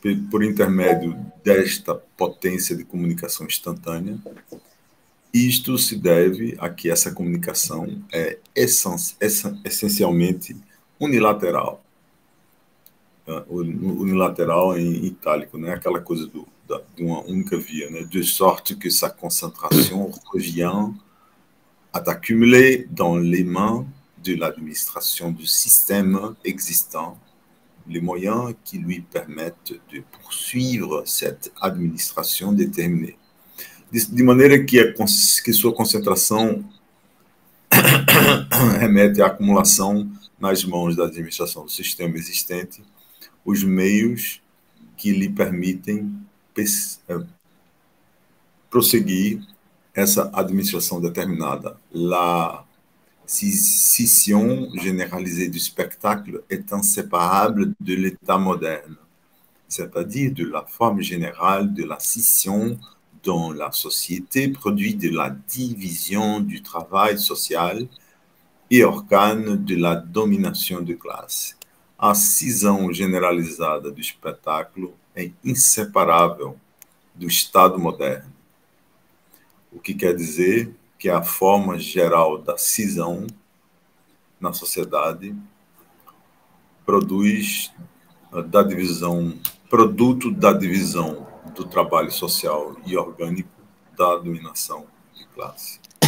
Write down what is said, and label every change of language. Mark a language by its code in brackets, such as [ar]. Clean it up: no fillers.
[pt] por intermédio desta potência de comunicação instantânea, isto se deve a que essa comunicação é essencialmente unilateral. Unilateral em itálico, né? Aquela coisa de uma única via, né? [fr] De sorte que sa concentration revient à accumuler dans les mains de l'administration du système existant les moyens qui lui permettent de poursuivre cette administration déterminée. [pt] De maneira que sua concentração remete à acumulação nas mãos da administração do sistema existente, os meios que lhe permitem prosseguir essa administração determinada. [fr] La scission généralisée du spectacle est inséparable de l'état moderne, c'est-à-dire de la forme générale de la scission dont la société produit de la division du travail social et organe de la domination de classe. [pt] A cisão generalizada do espetáculo é inseparável do Estado moderno. O que quer dizer que a forma geral da cisão na sociedade produto da divisão do trabalho social e orgânico da dominação de classe.